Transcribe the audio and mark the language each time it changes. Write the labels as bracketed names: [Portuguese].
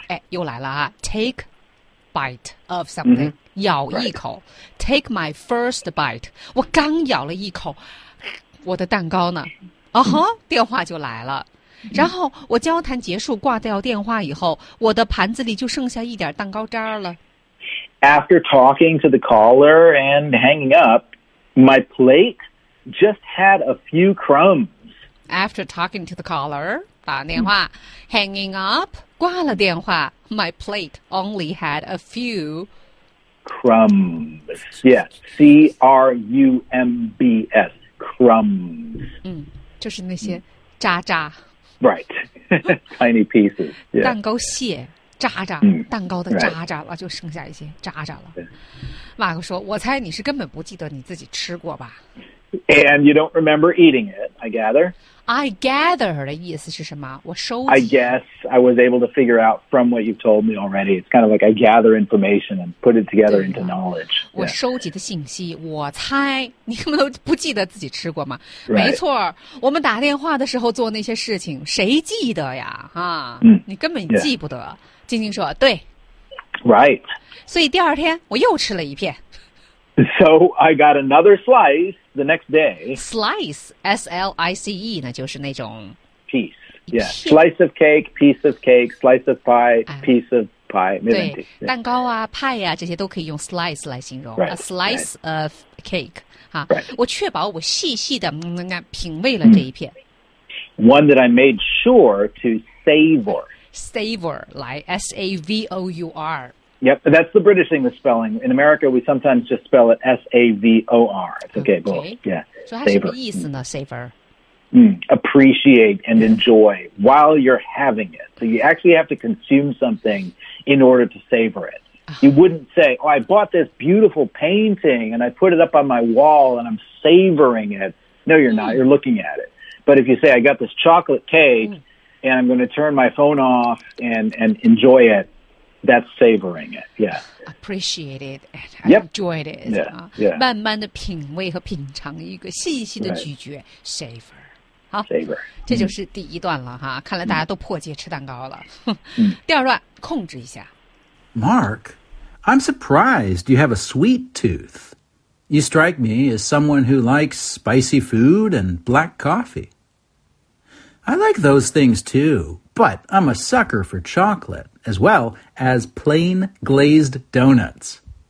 [Chinese] 哎，又来了啊 [English] take bite of something Mm-hmm. [Chinese] 咬一口、 [English] right. take my first bite [Chinese] 我刚咬了一口我的蛋糕呢电话就来了然后我交谈结束挂掉电话以后，我的盘子里就剩下一点蛋糕渣了。 [English] After talking to the caller and hanging up, my plate just had a few crumbs. After talking to the caller, [Chinese] 打电话、 [English] hanging up, [Chinese] 挂了电话， [English] my plate only had a few crumbs. Yeah, C-R-U-M-B-S, crumbs. [Chinese] 就是那些渣渣。 [English] Right, tiny pieces.、Yeah. [Chinese] 蛋糕屑渣渣，蛋糕的渣渣了、 [English] right. [Chinese] 就剩下一些渣渣了。马克说，我猜你是根本不记得你自己吃过吧。 [English] And you don't remember eating it, I gather. I gather [Chinese] 的意思是什么？我收集。 [English] I guess I was able to figure out from what you've told me already. It's kind of like I gather information and put it together into knowledge. [Chinese] 我收集的信息，我猜你们都不记得自己吃过吗、 [English] right. [Chinese] 没错，我们打电话的时候做那些事情，谁记得呀？啊，你根本记不得。晶晶说，对。 [English] Right. [Chinese] 所以第二天我又吃了一片。 [English] So I got another slice the next day. Slice, S-L-I-C-E, [Chinese] 那就是那种 [English] piece. Yeah, slice of cake, piece of cake, slice of pie, piece of pie. [Chinese] 没问题。对，蛋糕啊、派呀、啊、这些都可以用 slice 来形容。 [English] Right, a slice、 right. of cake. 哈、 right. ， [Chinese] 我确保我细细的品味了这一片。 [English] One that I made sure to savor. Savor, 来 S-A-V-O-U-R. Yep, that's the British English spelling. In America, we sometimes just spell it S-A-V-O-R. It's okay, okay. both. Yeah. So that's savor. [Chinese] 什么意思呢, [English] savor? Appreciate and enjoy while you're having it. So you actually have to consume something in order to savor it. You wouldn't say, oh, I bought this beautiful painting and I put it up on my wall and I'm savoring it. No, you're not. You're looking at it. But if you say, I got this chocolate cake and I'm going to turn my phone off and enjoy it,That's savoring it, yeah. Appreciate it and、 yep. enjoyed it. Yeah, yeah. [Chinese] 慢慢的品味和品尝一个细细的咀嚼、 [English] right. Savor. [Chinese] 好 Savor. 这就是第一段了哈、看来大家都破戒吃蛋糕了。第二段控制一下。 [English] Mark, I'm surprised you have a sweet tooth. You strike me as someone who likes spicy food and black coffee. I like those things too, but I'm a sucker for chocolate. As well as plain glazed donuts.